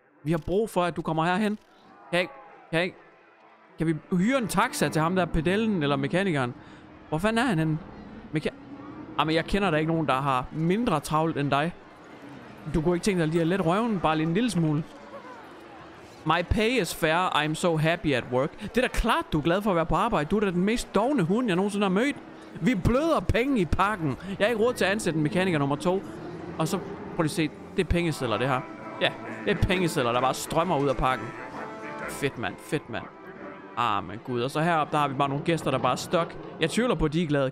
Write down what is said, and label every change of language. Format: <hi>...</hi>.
<da>Vi har brug for, at du kommer herhen. Hey. Kan vi hyre en taxa til ham der pedellen eller mekanikeren? Hvor fanden er han henne? Jamen, jeg kender da ikke nogen, der har mindre travlt end dig. Du kunne ikke tænke dig lige at lette røven, bare lige en lille smule.</da> <en>My pay is fair, I'm so happy at work.</en> <da>Det er da klart, du er glad for at være på arbejde. Du er da den mest dovne hund, jeg nogensinde har mødt. Vi bløder penge i pakken. Jeg har ikke råd til at ansætte en mekaniker nummer 2. Og så, prøv lige se, det er pengesedler det her. Ja, det er pengesedler, der bare strømmer ud af pakken. Fedt mand. Ah, men gud, og så heroppe, der har vi bare nogle gæster, der bare er stuck. Jeg tvivler på, at de er glade.</da>